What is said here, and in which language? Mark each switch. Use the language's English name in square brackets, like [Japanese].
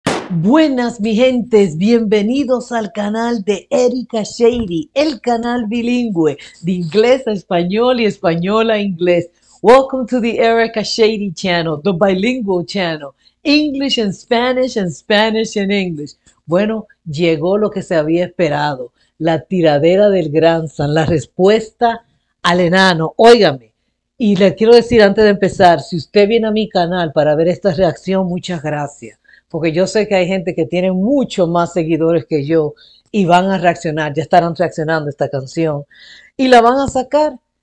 [Spanish] Buenas, mi gentes, bienvenidos al canal de Erika Shady, el canal bilingüe de inglés a español y español a inglés. [English] Welcome to the Erika Shady channel, the bilingual channel, English and Spanish in English. [Spanish] Bueno, llegó lo que se había esperado, la tiradera del Gran San, la respuesta al enano. Óigame, y le quiero decir antes de empezar, si usted viene a mi canal para ver esta reacción, muchas gracias. Porque yo sé que hay gente que tiene mucho más seguidores que yo y van a reaccionar, ya estarán reaccionando a esta canción y la van a sacar.